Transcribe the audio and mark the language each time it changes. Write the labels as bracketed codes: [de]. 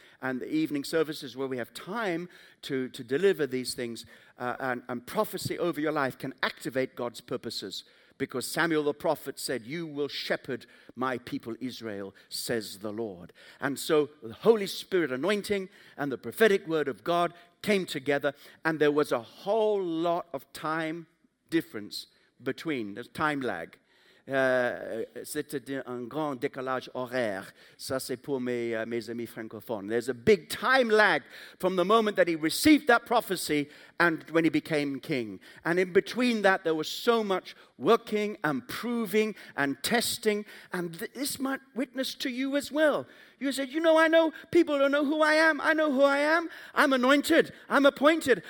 [en] And the evening services where we have time to deliver these things and prophecy over your life can activate God's purposes. Because Samuel the prophet said, you will shepherd my people Israel, says the Lord. And so the Holy Spirit anointing and the prophetic word of God came together. And there was a whole lot of time difference. Between the time lag, [fr] c'était un grand décalage horaire. Ça c'est pour mes amis francophones. [en] There's a big time lag from the moment that he received that prophecy and when he became king. And in between that, there was so much working and proving and testing. And this might witness to you as well. You said, you know, I know people don't know who I am. I know who I am. I'm anointed. I'm appointed.